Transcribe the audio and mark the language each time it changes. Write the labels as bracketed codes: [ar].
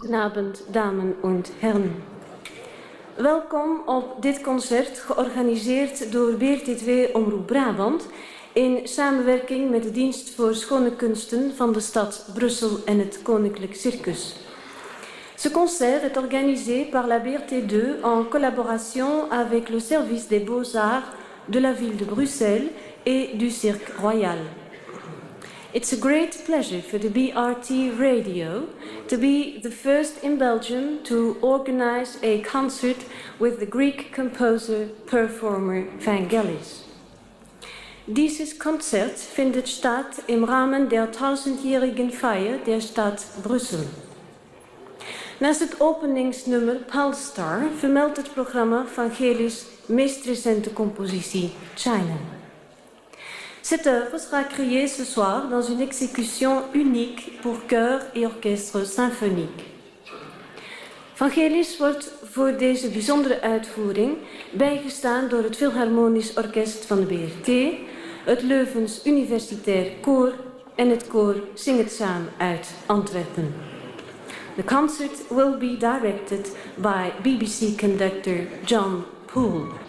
[de] Guten Abend, Damen und Herren. [nl] Welkom op dit concert, georganiseerd door BRT2 Omroep Brabant in samenwerking met de Dienst voor Schone Kunsten van de stad Brussel en het Koninklijk Circus. [fr] Ce concert est organisé par la BRT2 en collaboration avec le Service des Beaux-Arts de la ville de Bruxelles et du Cirque Royal. [en] It's a great pleasure for the BRT Radio to be the first in Belgium to organize a concert with the Greek composer-performer Vangelis. [de] Dieses Konzert findet statt im Rahmen der tausendjährigen Feier der Stadt Brüssel. [nl] Naast het openingsnummer Palstar vermeldt het programma Vangelis meest recente compositie China. [fr] Cette œuvre sera créée ce soir dans une exécution unique pour chœur et orchestre symphonique. [nl] Vangelis wordt voor deze bijzondere uitvoering bijgestaan door het Philharmonisch Orkest van de BRT, het Leuvens Universitair Koor en het Koor Zing het Saam uit Antwerpen. [en] The concert will be directed by BBC conductor John Poole.